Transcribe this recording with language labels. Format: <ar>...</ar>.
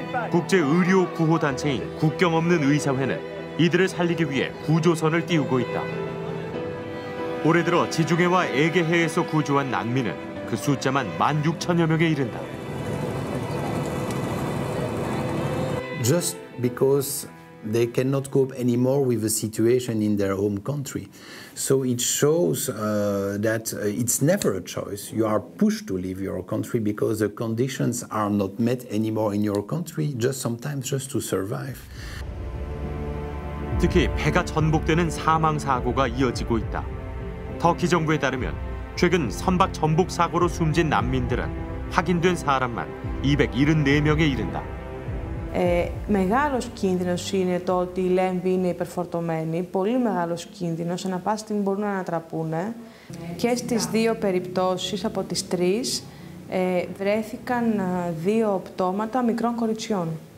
<ko>국제 의료 구호 단체인 국경 없는 의사회는 이들을 살리기 위해 구조선을 띄우고 있다. 올해 들어 지중해와 에게해에서 구조한 난민은 그 숫자만 16,000여 명에 이른다.</ko> <en>Just because they cannot cope anymore with the situation in their home country. So it shows that it's never a choice. You are pushed to leave your country because the conditions are not met anymore in your country, just sometimes just to survive.</en> <ko>특히 배가 전복되는 사망 사고가 이어지고 있다. 터키 정부에 따르면 최근 선박 전복 사고로 숨진 난민들은 확인된 사람만 274명에 이른다.</ko> <el>메γάλος κίνδυνος είναι το ότι οι λέμβοι είναι υπερφορτωμένοι. Πολύ μεγάλος κίνδυνος. Ανά πάση στιγμή μπορούν να ανατραπούν. Και στις δύο περιπτώσεις από τις τρεις βρέθηκαν δύο πτώματα μικρών κοριτσιών.</el>